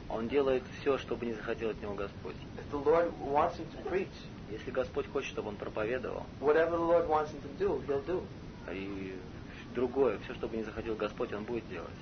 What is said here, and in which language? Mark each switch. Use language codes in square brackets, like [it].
[ru] Он делает все, чтобы не захотел от него Господь. [en] If the Lord wants him to preach, [ru] если Господь хочет, чтобы он проповедовал, [en] whatever the Lord wants him to do, he'll do. [ru] И другое, все, чтобы не захотел Господь, он будет делать.